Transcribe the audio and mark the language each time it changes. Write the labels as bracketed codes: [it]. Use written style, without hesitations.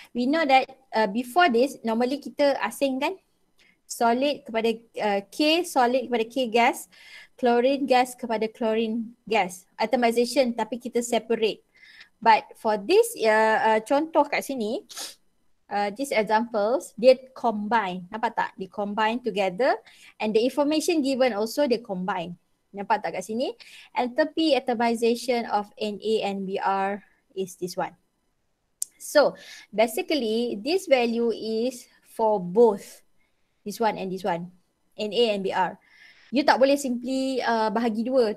[en] We know that before this, normally [ms] kita asing kan? Solid kepada K, solid kepada K gas, chlorine gas kepada chlorine gas. [en] Atomization, [ms] tapi kita separate. [en] But for this contoh kat sini, these examples, they combine. [ms] Nampak tak? [en] They combine together. And the information given also, they combine. [ms] Nampak tak kat sini? [en] Enthalpy atomization of Na and Br is this one. So, basically, this value is for both this one and this one, Na and Br. [ms] You tak boleh simply bahagi dua.